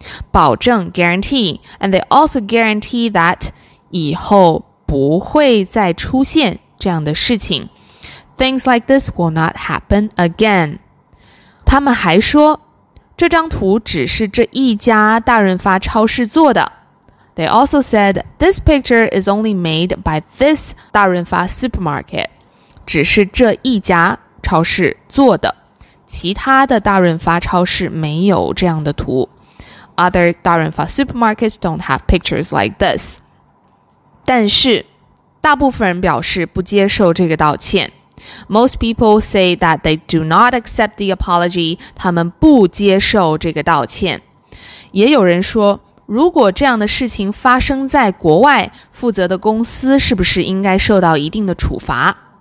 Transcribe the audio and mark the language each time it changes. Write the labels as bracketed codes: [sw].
[en] 保证 guarantee, and they also guarantee that [zh] 以后不会再出现这样的事情。 [en] Things like this will not happen again. [zh] 他们还说这张图只是这一家大润发超市做的。 [en] They also said this picture is only made by this 大润发 supermarket. [zh] 只是这一家超市做的。其他的大润发超市没有这样的图。 [en] Other 大润发 supermarkets don't have pictures like this. [zh] 但是大部分人表示不接受这个道歉。 [en] Most people say that they do not accept the apology, [zh] 他们不接受这个道歉。也有人说，如果这样的事情发生在国外，负责的公司是不是应该受到一定的处罚？